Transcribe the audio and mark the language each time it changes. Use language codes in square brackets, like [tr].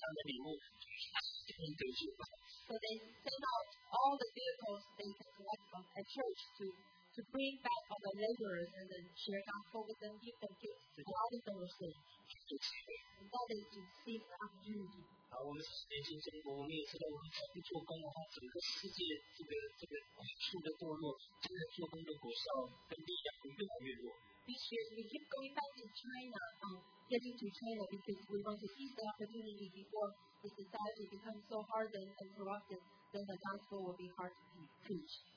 [en] So they sent out all the vehicles they can collect from a church to bring back all the laborers and then share gospel with them, give them gifts, to all the things. And that is to seize the opportunity. [zh] 我们十年前，我们也知道，我们不做工的话，整个世界这个好处的堕落，这个做工的果效跟力量会越来越弱。This [en] year we keep going back to China, getting to China because we want to seize the opportunity before the society becomes so hardened and corrupted, then the gospel will be hard to preach.